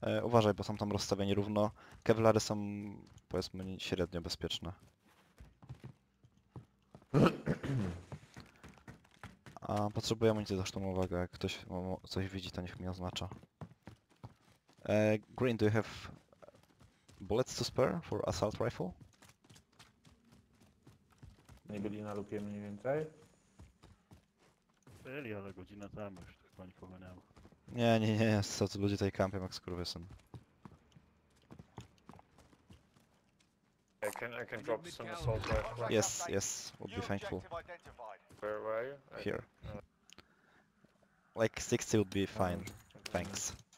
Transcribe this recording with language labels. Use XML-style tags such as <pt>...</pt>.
<pl>Uważaj, bo są tam rozstawieni równo. Kevlary są, powiedzmy, średnio bezpieczne. A potrzebuję mieć zresztą uwagę, jak ktoś coś widzi, to niech mnie oznacza.</pl> <en>Green, do you have... Bullets to spare for assault rifle?</en> <pl>Nie byli na lupie mniej więcej? Byli, ale godzinę temu już tych pani pomyliło. Nie, nie, nie, co tu ludzie tutaj kampią jak skurwysyn.</pl> <en>I can drop some assault rifle. Yes, yes, would be thankful. Where were you? Here. Like 60 would be fine, thanks.</en>